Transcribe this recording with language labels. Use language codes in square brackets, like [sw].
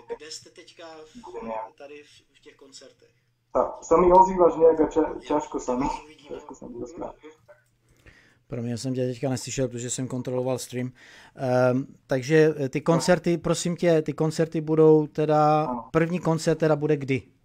[cs] kde ste teďka tady v tých koncertech? [sk] sa mi ozývaš nejak a ťažko sa mi dostáva. [cs] Promiň, já jsem tě teďka neslyšel, protože jsem kontroloval stream. Takže ty koncerty, prosím tě, ty koncerty budou teda, první koncert teda bude kdy?